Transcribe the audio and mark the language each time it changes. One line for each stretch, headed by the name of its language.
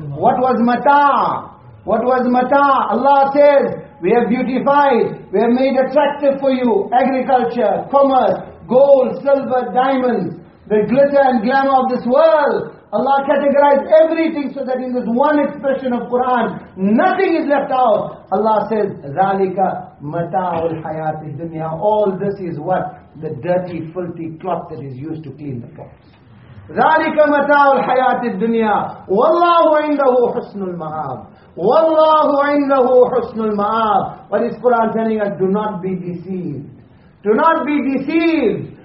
English: What was Mata? What was Mata? Allah says, we have beautified, we have made attractive for you agriculture, commerce, gold, silver, diamonds, the glitter and glamour of this world. Allah categorized everything so that in this one expression of Quran, nothing is left out. Allah says,
Arabic: ذَلِكَ مَتَاعُ الْحَيَاةِ الدُّنْيَا.
English: All this is what? The dirty, filthy cloth that is used to clean the pots.
Arabic: ذَلِكَ مَتَاعُ الْحَيَاةِ الدُّنْيَا. وَاللَّهُ عِنْدَهُ حُسْنُ الْمَعَابِ. وَاللَّهُ عِنْدَهُ حُسْنُ الْمَعَابِ.
English: What is Quran telling us? Do not be deceived. Do not be deceived.